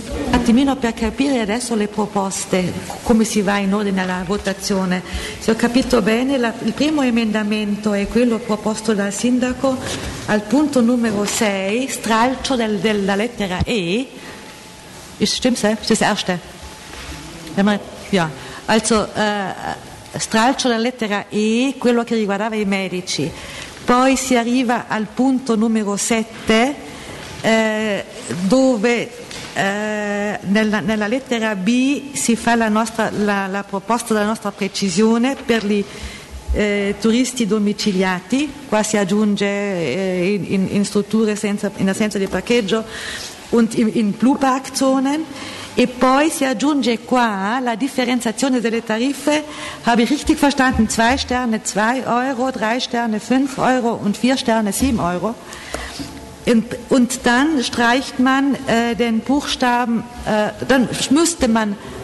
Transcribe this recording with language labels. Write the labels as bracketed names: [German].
[Italian] Attimino, per capire adesso le proposte, come si va in ordine alla votazione. Se ho capito bene, il primo emendamento è quello proposto dal sindaco al punto numero 6, stralcio della lettera E. [German] Stimmt's? Das erste? Ja. Also, [Italian] stralcio la lettera E, quello che riguardava i medici. Poi si arriva al punto numero 7, dove nella lettera B si fa la proposta della nostra precisione per gli turisti domiciliati. Qua si aggiunge in strutture senza, in assenza di parcheggio, in Blue Park Zone. E poi si aggiunge qua la differenziazione delle tariffe. [German] Habe ich richtig verstanden? 2 Sterne 2 Euro, 3 Sterne 5 Euro und 4 Sterne 7 Euro. Und dann streicht man den Buchstaben, dann müsste man.